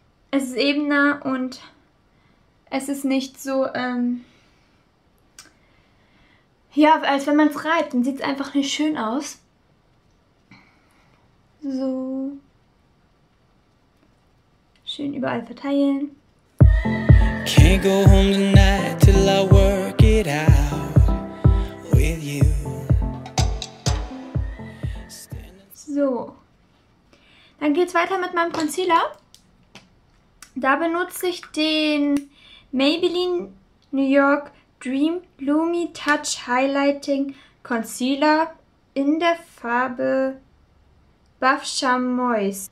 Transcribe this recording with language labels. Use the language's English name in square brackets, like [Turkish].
[German] Es ist ebener und es ist nicht so, ja, als wenn man es reibt, dann sieht es einfach nicht schön aus. So. Schön überall verteilen. [English] Can't go home tonight till I work it out with you. [German] So, dann geht's weiter mit meinem Concealer. Da benutze ich den Maybelline New York Dream Lumi Touch Highlighting Concealer in der Farbe Buff Chamois.